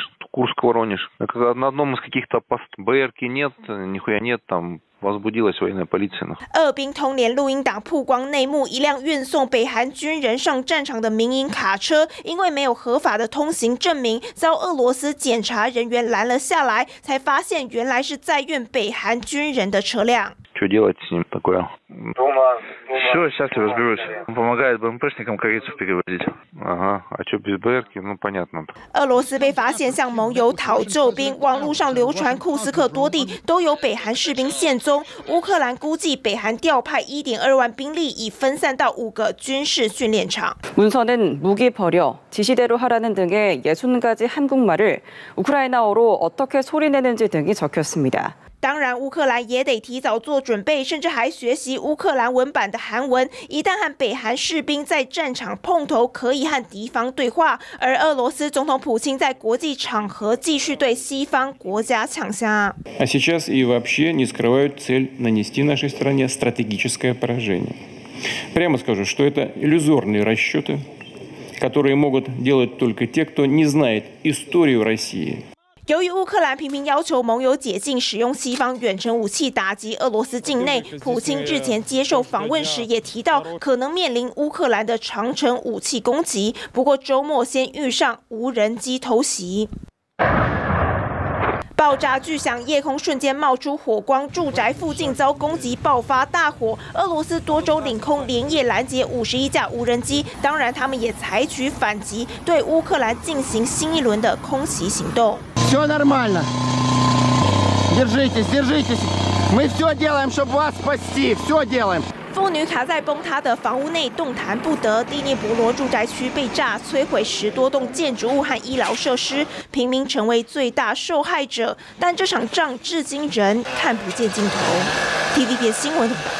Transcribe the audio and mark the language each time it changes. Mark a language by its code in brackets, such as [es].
[ru] Курск-Воронеж. На одном из каких-то постов БРК нет, нихуя нет, там [zh] 俄兵通联录音档曝光内幕，一辆运送北韩军人上战场的民营卡车，因为没有合法的通行证明，遭俄罗斯检查人员拦了下来，才发现原来是载运北韩军人的车辆。 [ru] Все, сейчас я разберусь. Помогает БМПшникам корейцев перевозить. Ага, а что без БРки? Ну понятно. [zh] 俄罗斯被发现向盟友讨救兵，网络上流传库斯克多地都有北韩士兵现踪。乌克兰估计北韩调派 1.2 万兵力，已分散到5个军事训练场。 [ko] 문서는무기버려지시대로하라는등의60가지한국말을우크라이나어로어떻게소리내는지등이적혔습니다。 [zh] 当然乌克兰也得提早做准备，甚至还学习乌克兰文版的韩文，一旦和北韩士兵在战场碰头，可以和敌方对话。而俄罗斯总统普京在国际场合继续对西方国家呛虾。 [ru] А сейчас и вообще не скрывают цель нанести нашей стране стратегическое поражение. Прямо скажу, что это иллюзорные расчеты, которые могут делать только те, кто не знает историю России. [zh] 由于乌克兰频频要求盟友解禁使用西方远程武器打击俄罗斯境内，普京日前接受访问时也提到可能面临乌克兰的长程武器攻击，不过周末先遇上无人机偷袭。爆炸巨响，夜空瞬间冒出火光，住宅附近遭攻击爆发大火。俄罗斯多州领空连夜拦截51架无人机，当然他们也采取反击，对乌克兰进行新一轮的空袭行动。 [ru] Все нормально. Держитесь, держитесь. Мы все делаем, чтобы вас спасти. Все делаем. [zh] 妇女卡在崩塌的房屋内动弹不得，第聂伯罗住宅区被炸，摧毁十多栋建筑物和医疗设施，平民成为最大受害者。但这场仗至今仍看不见尽头。 TVB 新闻。